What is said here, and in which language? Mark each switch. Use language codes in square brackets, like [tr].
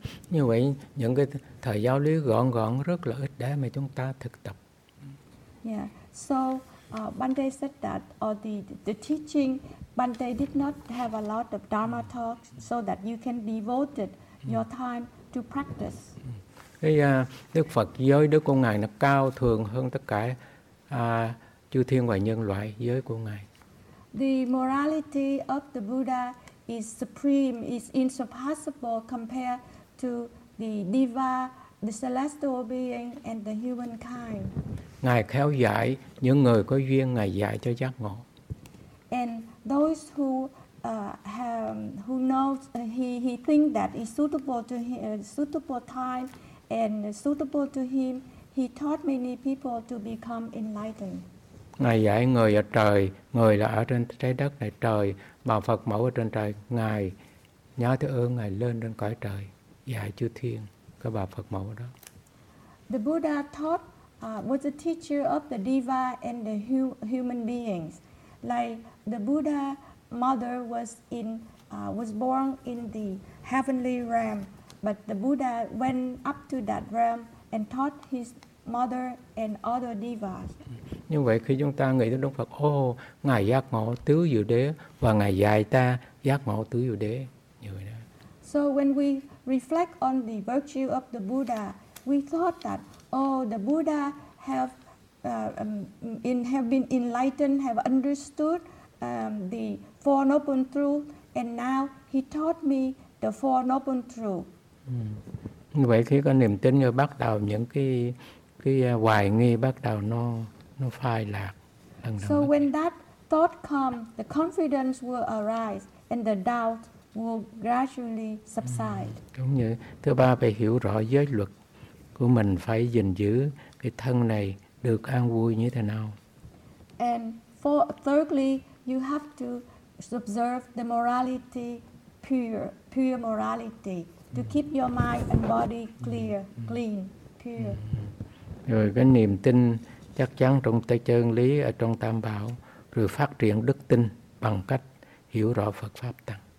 [vi] Như vậy những cái thời giáo lý gọn gọn rất là ít để mà chúng ta thực tập. Yeah. [en] So Bhante said that or the teaching Bhante did not have a lot of dharma talks so that you can devote your time to practice. [vi] Cái Đức Phật giới đức của ngài nó cao thượng hơn tất cả chư thiên và nhân loại giới của ngài. [en] The morality of the Buddha is supreme, is insurpassable compared to the diva, the celestial being, and the humankind. [vi] Ngài khéo dạy những người có duyên, ngài dạy cho giác ngộ. [en] And those who have, who knows he think that is suitable to him, suitable time, and suitable to him, he taught many people to become enlightened. [vi] Ngài dạy người ở trời, người là ở trên trái đất này trời, mà Phật mẫu ở trên trời, ngài nhớ tới ơn ngài lên trên cõi trời. Dạy chư thiên, cái bà Phật mẫu đó. [en] The Buddha taught was a teacher of the diva and the human beings. Like the Buddha mother was born in the heavenly realm, but the Buddha went up to that realm and taught his mother and other divas. [vi] Như vậy khi chúng ta nghĩ đến Đức Phật, ngài giác ngộ tứ diệu đế và ngài dạy ta giác ngộ tứ diệu đế như vậy đó. [en] So when we reflect on the virtue of the Buddha, we thought that, the Buddha have been enlightened, have understood the Four Noble Truths, and now he taught me the Four Noble Truths. [vi] Vậy khi có niềm tin rồi bắt đầu những cái hoài nghi bắt đầu nó phai lạc. [en] So when that thought comes, the confidence will arise and the doubt will gradually subside. [vi] Đúng như thứ ba phải hiểu rõ giới luật của mình phải gìn giữ cái thân này được an vui như thế nào. [en] And for thirdly, you have to observe the morality pure morality to keep your mind and body clear, clean, pure. [vi] Rồi cái niềm tin chắc chắn trong tay chân lý ở trong Tam Bảo rồi phát triển đức tin bằng cách hiểu rõ Phật pháp tăng.